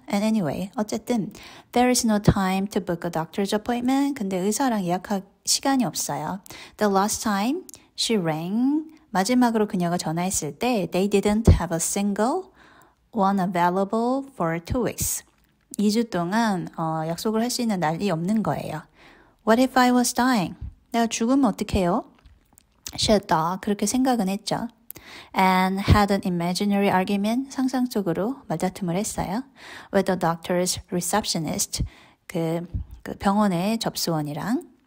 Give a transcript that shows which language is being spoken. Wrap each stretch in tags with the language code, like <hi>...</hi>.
<en>And anyway,</en> <ko>어쨌든</ko> <en>there is no time to book a doctor's appointment.</en> <ko>근데 의사랑 예약할 시간이 없어요.</ko> <en>The last time she rang,</en> <ko>마지막으로 그녀가 전화했을 때</ko> <en>they didn't have a single one available for 2 weeks.</en> <ko>2주 동안 약속을 할 수 있는 날이 없는 거예요.</ko> <en>What if I was dying?</en> <ko>내가 죽으면 어떡해요?</ko> <en>She thought,</en> <ko>그렇게 생각은 했죠.</ko> <en>And had an imaginary argument,</en> <ko>상상 속으로 말다툼을 했어요.</ko> <en>With the doctor's receptionist,</en> <ko>그 병원의 접수원이랑.</ko>